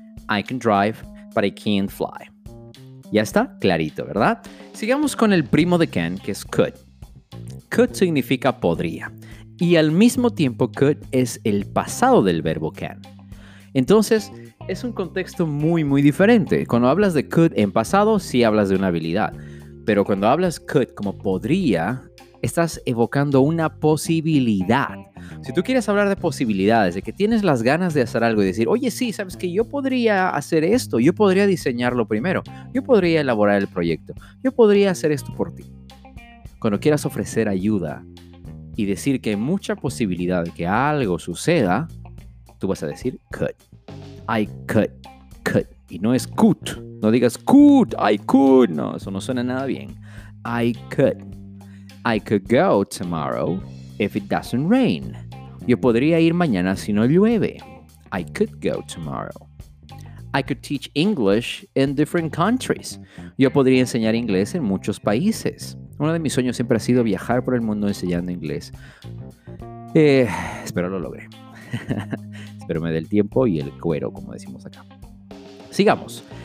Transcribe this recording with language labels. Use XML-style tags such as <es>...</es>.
<en>I can drive, but I can't fly.</en> <es>Ya está, clarito, ¿verdad? Sigamos con el primo de can, que es could. Could significa podría. Y al mismo tiempo, could es el pasado del verbo can. Entonces, es un contexto muy, muy diferente. Cuando hablas de could en pasado, sí hablas de una habilidad. Pero cuando hablas could como podría, estás evocando una posibilidad. Si tú quieres hablar de posibilidades, de que tienes las ganas de hacer algo y decir, oye, sí, sabes que yo podría hacer esto, yo podría diseñarlo primero, yo podría elaborar el proyecto, yo podría hacer esto por ti. Cuando quieras ofrecer ayuda y decir que hay mucha posibilidad de que algo suceda, tú vas a decir could.</es> <en>I could.</en> <es>Y no es could. No digas could,</es> <en>I could.</en> <es>No, eso no suena nada bien.</es> <en>I could. I could go tomorrow if it doesn't rain.</en> <es>Yo podría ir mañana si no llueve.</es> <en>I could go tomorrow. I could teach English in different countries.</en> <es>Yo podría enseñar inglés en muchos países. Uno de mis sueños siempre ha sido viajar por el mundo enseñando inglés. Espero lo logre. Espero me dé el tiempo y el cuero, como decimos acá. Sigamos.</es>